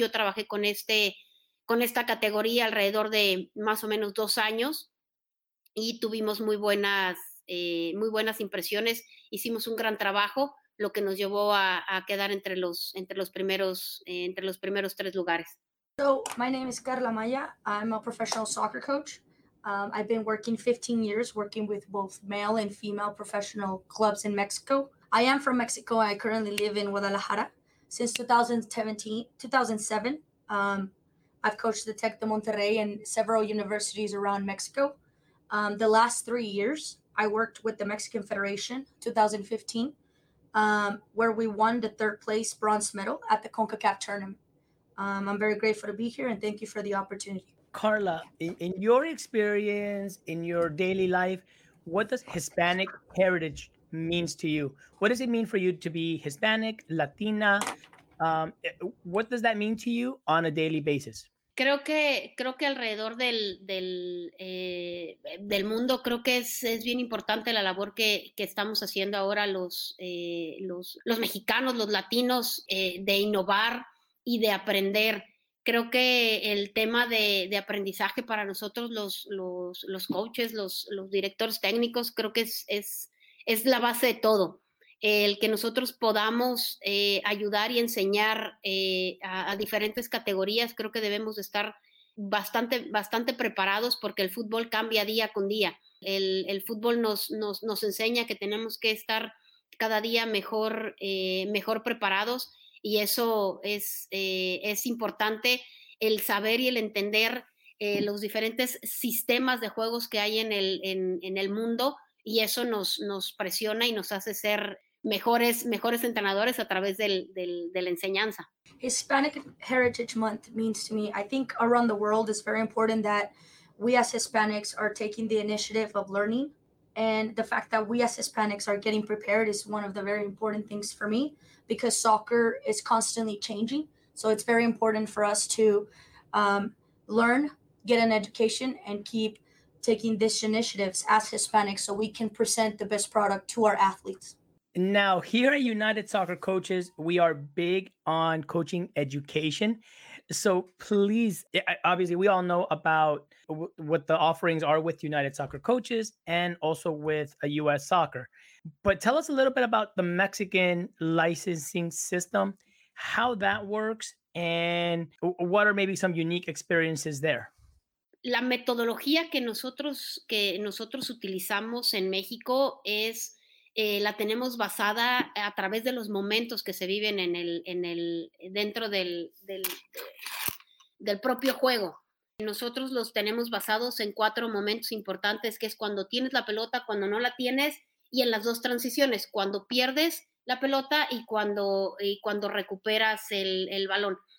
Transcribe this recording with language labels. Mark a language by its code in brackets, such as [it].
[es] Yo trabajé con esta categoría alrededor de más o menos 2 años y tuvimos muy buenas impresiones. Hicimos un gran trabajo, lo que nos llevó a quedar entre los primeros 3 lugares. [en] So my name is Carla Maya. I'm a professional soccer coach. I've been working 15 years working with both male and female professional clubs in Mexico. I am from Mexico. I currently live in Guadalajara. Since 2007, I've coached the Tec de Monterrey and several universities around Mexico. The last 3 years, I worked with the Mexican Federation, 2015, where we won the 3rd place bronze medal at the CONCACAF tournament. I'm very grateful to be here and thank you for the opportunity. Carla, in your experience, in your daily life, what does Hispanic heritage means to you? What does it mean for you to be Hispanic, Latina? What does that mean to you on a daily basis? [es] Creo que alrededor del mundo, creo que es bien importante la labor que estamos haciendo ahora los mexicanos, los latinos, de innovar y de aprender. Creo que el tema de aprendizaje para nosotros, los coaches, los directores técnicos, creo que es la base de todo. El que nosotros podamos ayudar y enseñar a diferentes categorías, creo que debemos de estar bastante, bastante preparados, porque el fútbol cambia día con día. El fútbol nos enseña que tenemos que estar cada día mejor preparados, y eso es importante, el saber y el entender los diferentes sistemas de juegos que hay en el mundo. Y eso nos presiona y nos hace ser mejores entrenadores a través de la enseñanza. [en] Hispanic Heritage Month means to me, I think around the world it's very important that we as Hispanics are taking the initiative of learning. And the fact that we as Hispanics are getting prepared is one of the very important things for me, because soccer is constantly changing. So it's very important for us to learn, get an education, and keep taking these initiatives as Hispanics so we can present the best product to our athletes. Now, here at United Soccer Coaches, we are big on coaching education. So please, obviously, we all know about what the offerings are with United Soccer Coaches and also with U.S. Soccer. But tell us a little bit about the Mexican licensing system, how that works, and what are maybe some unique experiences there. [es] La metodología que nosotros utilizamos en México es la tenemos basada a través de los momentos que se viven dentro del propio juego. Nosotros los tenemos basados en cuatro momentos importantes, que es cuando tienes la pelota, cuando no la tienes, y en las dos transiciones, cuando pierdes la pelota y cuando recuperas el balón.